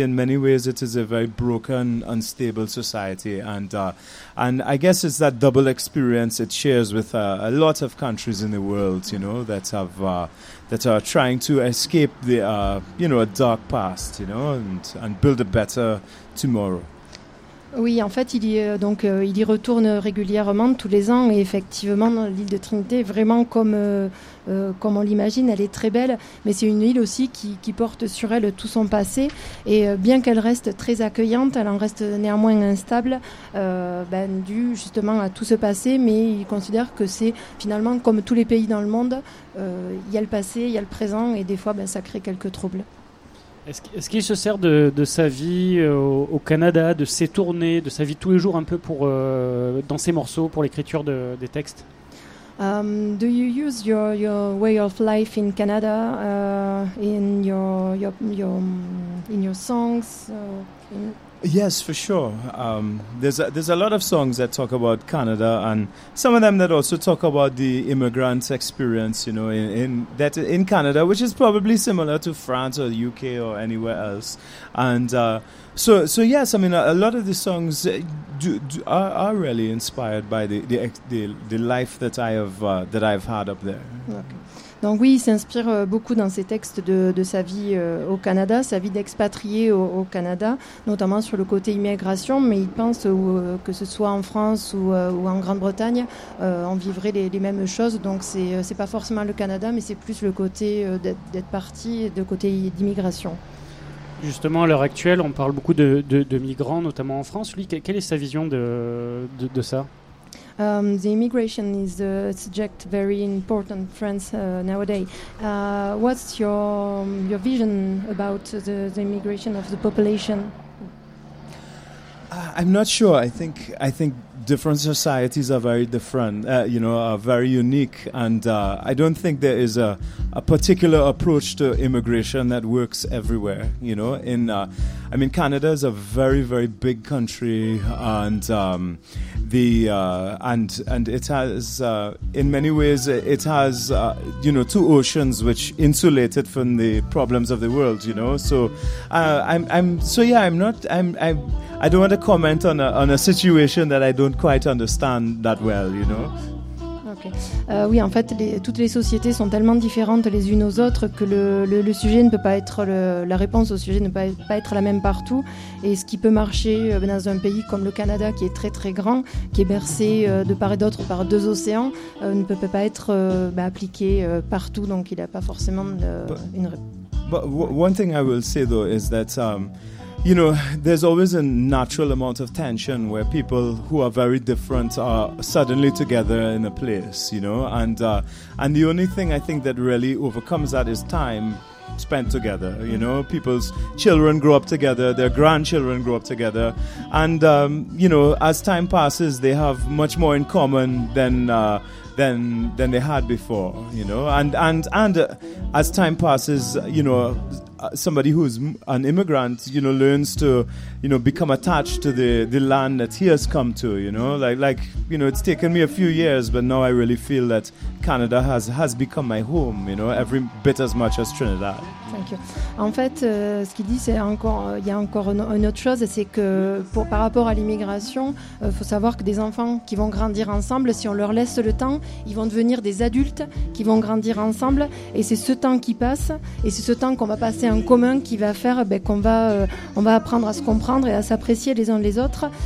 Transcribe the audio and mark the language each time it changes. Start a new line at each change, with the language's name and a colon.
English: In many ways, it is a very broken, unstable society. And I guess it's that double experience it shares with a lot of countries in the world, you know, that have that are trying to escape the, you know, a dark past, you know, and build a better tomorrow.
French: Oui, en fait, il y retourne régulièrement tous les ans. Et effectivement, l'île de Trinité, vraiment comme on l'imagine, elle est très belle. Mais c'est une île aussi qui porte sur elle tout son passé. Et bien qu'elle reste très accueillante, elle en reste néanmoins instable, dû justement à tout ce passé. Mais il considère que c'est finalement comme tous les pays dans le monde. Il y a le passé, il y a le présent et des fois, ça crée quelques troubles. Est-ce qu'il se sert de sa vie au Canada, de ses tournées, de sa vie tous les jours un peu pour dans ses morceaux, pour l'écriture des textes?
English: Do you use your way of life in Canada in your songs? Yes, for sure. There's a lot of songs that talk about Canada, and some of them that also talk about the immigrant experience, you know, in Canada, which is probably similar to France or the UK or anywhere else. And so yes, I mean, a lot of the songs are really inspired by the life that I've had up there. Okay.
French: Donc oui, il s'inspire beaucoup dans ses textes de sa vie au Canada, sa vie d'expatrié au Canada, notamment sur le côté immigration, mais il pense que ce soit en France ou en Grande-Bretagne, on vivrait les mêmes choses. Donc c'est pas forcément le Canada, mais c'est plus le côté d'être parti, de côté d'immigration. Justement, à l'heure actuelle, on parle beaucoup de migrants, notamment en France. Lui, quelle est sa vision de ça?
English: The immigration is a subject very important in France nowadays. What's your vision about the immigration of the population? I'm not sure. I think different societies are very different, you know, are very unique. And I don't think there is a particular approach to immigration that works everywhere, you know. Canada is a very, very big country, and it has, in many ways, it has, you know, two oceans which insulate it from the problems of the world, you know. So I don't want to comment on a situation that I don't quite understand that well, you know. Okay.
French: Oui, en fait, toutes les sociétés sont tellement différentes les unes aux autres que le sujet ne peut pas être la réponse au sujet ne peut pas être la même partout. Et ce qui peut marcher dans un pays comme le Canada, qui est très très grand, qui est bercé de part et d'autre par deux océans, ne peut pas être appliqué partout. Donc, il n'a pas forcément une réponse.
English: But one thing I will say though is that you know, there's always a natural amount of tension where people who are very different are suddenly together in a place, you know. And the only thing I think that really overcomes that is time spent together, you know. People's children grow up together, their grandchildren grow up together. And, you know, as time passes, they have much more in common than they had before, you know. And as time passes, you know, somebody who's an immigrant, you know, learns to, you know, become attached to the land that he has come to, you know, like, you know, it's taken me a few years, but now I really feel that Canada has become my home, you know, every bit as much as Trinidad. Thank you.
French: En fait, ce qu'il dit, c'est encore, il y a encore une autre chose, c'est que par rapport à l'immigration, il faut savoir que des enfants qui vont grandir ensemble, si on leur laisse le temps, ils vont devenir des adultes qui vont grandir ensemble, et c'est ce temps qui passe, et c'est ce temps qu'on va passer en commun qui va faire qu'on va apprendre à se comprendre et à s'apprécier les uns les autres.